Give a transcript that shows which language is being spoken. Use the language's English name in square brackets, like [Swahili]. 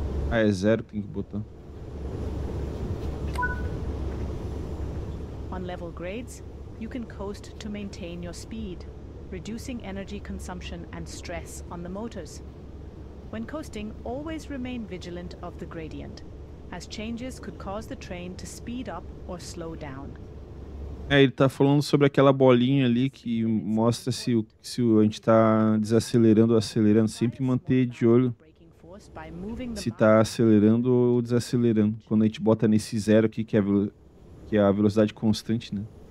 [Portuguese] Ah, é zero que tem que botar. [English] On level grades, you can coast to maintain your speed, reducing energy consumption and stress on the motors. When coasting, always remain vigilant of the gradient. as changes could cause the train to speed up or slow down. [Portuguese] É, ele tá falando sobre aquela bolinha ali que mostra se a gente tá desacelerando ou acelerando. Sempre manter de olho se tá acelerando ou desacelerando. Quando a gente bota nesse zero aqui, que é a velocidade constante, né?